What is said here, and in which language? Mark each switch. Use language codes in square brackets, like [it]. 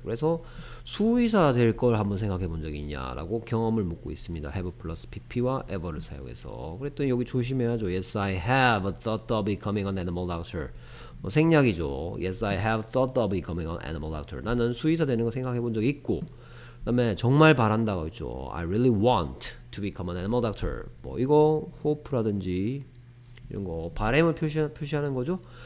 [ko] 그래서 수의사 될 걸 한번 생각해 본 적 있냐라고 경험을 묻고 있습니다. have plus pp와 ever를 사용해서 그랬더니 여기 조심해야죠. [en] yes I have thought of becoming an animal doctor. [ko] 뭐 생략이죠. [en] yes I have thought of becoming an animal doctor. [ko] 나는 수의사 되는 거 생각해 본 적 있고 그 다음에 정말 바란다고 했죠. [en] I really want to become an animal doctor. [ko] 뭐 이거 hope라든지 이런 거 바람을 표시하는 거죠.